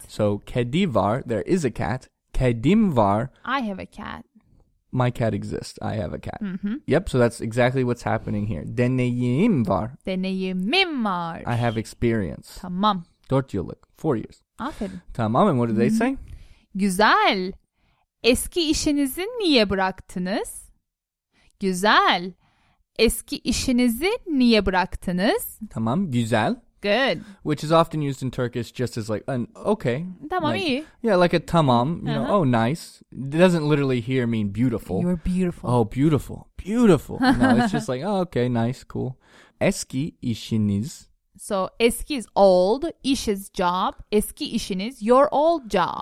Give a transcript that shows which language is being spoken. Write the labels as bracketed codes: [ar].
[en] So [tr] kedi var. [en] There is a cat. [tr] Kedim var. [en] I have a cat. My cat exists. I have a cat. Mm-hmm. Yep. So that's exactly what's happening here. [tr] Deneyim var. Deneyimim var. [en] I have experience. [tr] Tamam. 4 yıllık. [en] 4 years. [tr] Aferin. [en] Tamam, and what did they say? [tr] Güzel. Eski işinizi niye bıraktınız? Güzel. Eski işinizi niye bıraktınız? Tamam, güzel. [en] Good. Which is often used in Turkish just as like an okay. [tr] Tamam, [en] like, [tr] iyi. [en] Yeah, like a tamam. You uh-huh. know, oh, nice. It doesn't literally here mean beautiful. You're beautiful. Oh, beautiful. Beautiful. No, it's just like, oh, okay, nice, cool. [tr] Eski işiniz... [en] So eski is old, iş is job, eski işin is your old job.